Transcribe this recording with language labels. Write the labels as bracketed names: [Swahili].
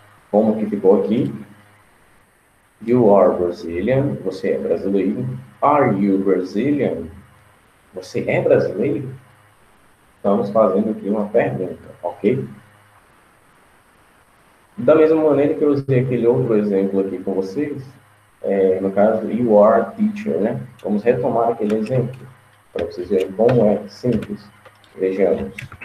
[Portuguese] Como que ficou aqui? [English] You are Brazilian. [Portuguese] Você é brasileiro. [English] Are you Brazilian? [Portuguese] Você é brasileiro? Estamos fazendo aqui uma pergunta, ok? Da mesma maneira que eu usei aquele outro exemplo aqui com vocês. No caso, [English] you are teacher, [Portuguese] né? Vamos retomar aquele exemplo para vocês verem como é simples. Vejamos.